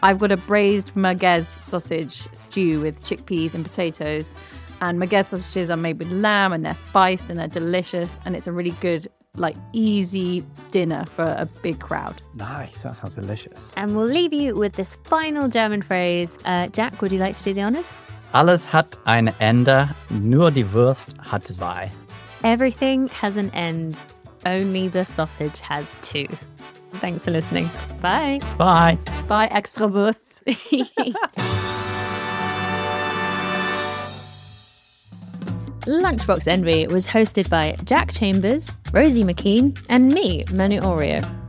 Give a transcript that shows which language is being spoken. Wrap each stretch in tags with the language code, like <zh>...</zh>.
<en>I've got a braised merguez sausage stew with chickpeas and potatoes. And merguez sausages are made with lamb and they're spiced and they're delicious. And it's a really good, like, easy dinner for a big crowd. Nice, that sounds delicious. And we'll leave you with this final German phrase. Jack, would you like to do the honours?</en> <de>Alles hat ein Ende, nur die Wurst hat zwei.</de> <en>Everything has an end, only the sausage has two. Thanks for listening. Bye. Bye. Bye, extra Wursts. Lunchbox Envy was hosted by Jack Chambers, Rosie McKean, and me, Manu Oreo.</en>